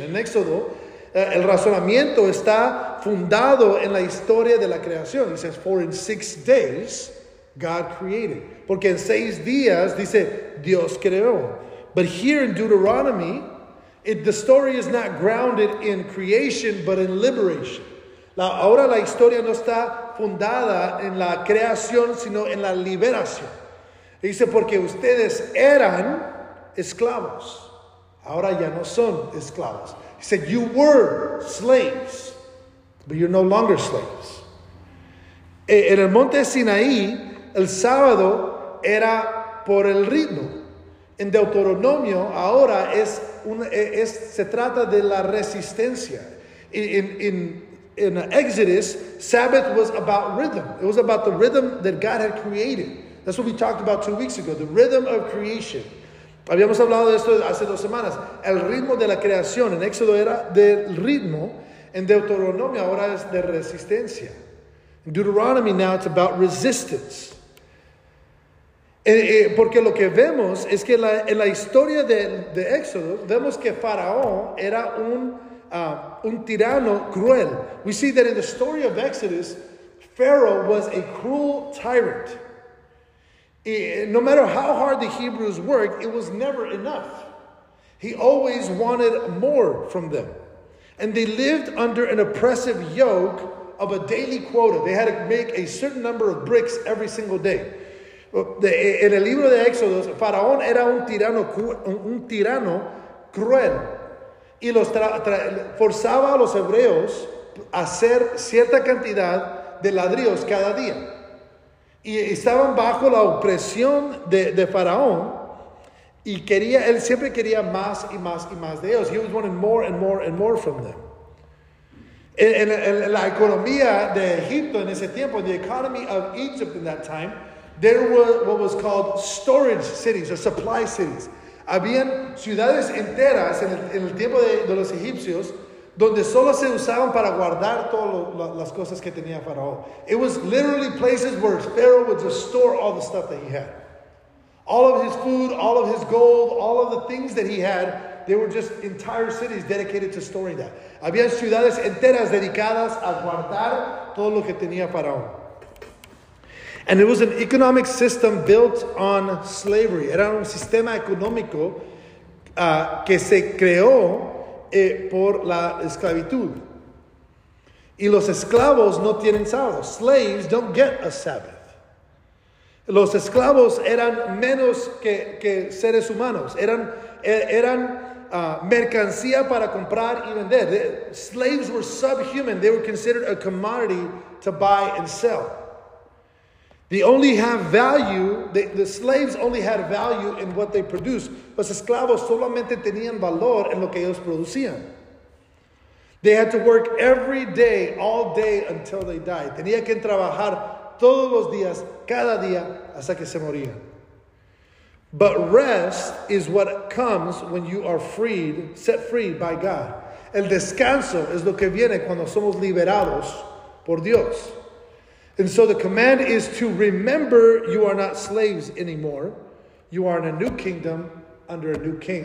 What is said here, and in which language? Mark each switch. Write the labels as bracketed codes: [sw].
[es] In Exodo, el razonamiento está fundado en la historia de la creación. [en] He says, for in 6 days, God created. [es] Porque en 6 días, dice, Dios creó. [en] But here in Deuteronomy, the story is not grounded in creation, but in liberation. [es] Ahora la historia no está fundada en la creación, sino en la liberación. He dice, porque ustedes eran esclavos. Ahora ya no son esclavos. [en] He said, you were slaves, but you're no longer slaves. [es] En el monte Sinaí, el sábado era por el ritmo. En Deuteronomio, ahora se trata de la resistencia. [en] In Exodus, Sabbath was about rhythm. It was about the rhythm that God had created. That's what we talked about 2 weeks ago, the rhythm of creation. [es] Habíamos hablado de esto hace 2 semanas. El ritmo de la creación. En Éxodo era del ritmo. En Deuteronomio ahora es de resistencia. [en] In Deuteronomy now it's about resistance. [es] Porque lo que vemos es que en la historia de Éxodo, vemos que Faraón era un tirano cruel. [en] We see that in the story of Exodus, Pharaoh was a cruel tyrant. No matter how hard the Hebrews worked, it was never enough. He always wanted more from them. And they lived under an oppressive yoke of a daily quota. They had to make a certain number of bricks every single day. [es] En el libro de Éxodos, Faraón era un tirano cruel. Y los forzaba a los hebreos a hacer cierta cantidad de ladrillos cada día. Y estaban bajo la opresión de Faraón y él siempre quería más y más y más de ellos. [en] He was wanting more and more and more from them. [es] En la economía de Egipto en ese tiempo, [en] the economy of Egypt in that time, there were what was called storage cities or supply cities. [es] Habían ciudades enteras en el tiempo de los egipcios donde solo se usaban para guardar todas las cosas que tenía Faraón. [en] It was literally places where Pharaoh would just store all the stuff that he had. All of his food, all of his gold, all of the things that he had, they were just entire cities dedicated to storing that. [es] Había ciudades enteras dedicadas a guardar todo lo que tenía Faraón. [en] And it was an economic system built on slavery. [es] Era un sistema económico que se creó por la esclavitud. Y los esclavos no tienen sábado. [en] Slaves don't get a Sabbath. [es] Los esclavos eran menos que seres humanos. Eran mercancía para comprar y vender. [en] Slaves were subhuman. They were considered a commodity to buy and sell. They only have value, the slaves only had value in what they produced. [es] Los esclavos solamente tenían valor en lo que ellos producían. [en] They had to work every day, all day until they died. [es] Tenía que trabajar todos los días, cada día, hasta que se moría. [en] But rest is what comes when you are freed, set free by God. [es] El descanso es lo que viene cuando somos liberados por Dios. [en] And so the command is to remember you are not slaves anymore. You are in a new kingdom under a new king.